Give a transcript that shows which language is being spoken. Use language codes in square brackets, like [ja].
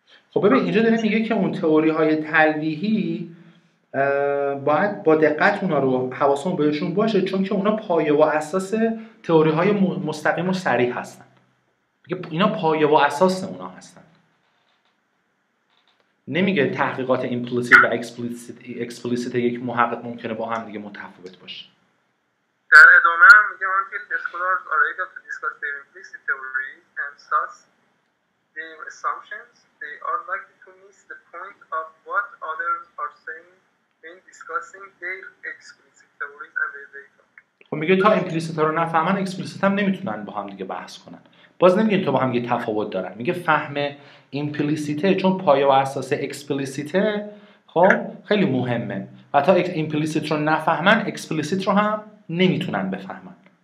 [fa] خب ببین اینجا داره میگه که اون تئوری‌های تلویحی باید با دقت اونا رو حواسمون بهشون باشه چون که اونا پایه و اساس تئوری‌های مستقیم و صریح هستن. میگه اینا پایه و اساس اونا هستن. نمیگه تحقیقات ایمپلیسیت و اکسپلیسیت یک محقق ممکنه با هم دیگه متفاوت باشه. در ادامه هم میگه [en] until the scholars are able to discuss their implicit theory and thus their assumptions, they are likely to miss the point of what others are saying when discussing their explicit theories and their data. [fa] خب میگه تا ایمپلیسیت ها رو نفهمن اکسپلیسیت هم نمیتونن با هم دیگه بحث کنن. باز نمیگه تو با هم یه تفاوت دارن. میگه فهم ایمپلیسیته چون پایه و اساس اکسپلیسیته خب خیلی مهمه و تا ایمپلیسیت رو نفهمن اکسپلیسیت رو هم نمیتونن بفهمن.